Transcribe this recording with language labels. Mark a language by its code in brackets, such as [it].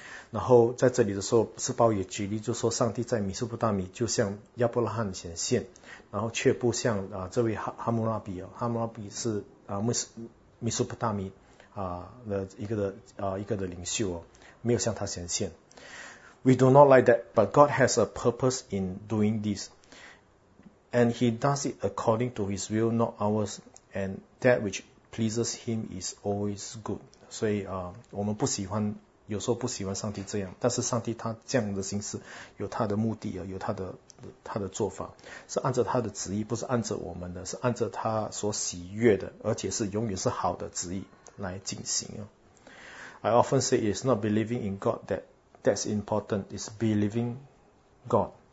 [zh] 然后在这里的时候，施保也举例就说，上帝在米斯布大米就向亚伯拉罕显现，然后却不像这位哈姆拉比啊，哈姆拉比是米斯布大米的一个的领袖哦，没有向他显现。 [en] We do not like that, but God has a purpose in doing this, and He does it according to His will, not ours, and that which pleases Him is always good. [zh] 所以我们不喜欢。有时候不喜欢上帝这样，但是上帝他这样的形式有他的目的，有他的做法，是按照他的旨意，不是按照我们的，是按照他所喜悦的，而且是永远是好的旨意来进行。 [en] I often say it's not believing in God that's important, it's believing God.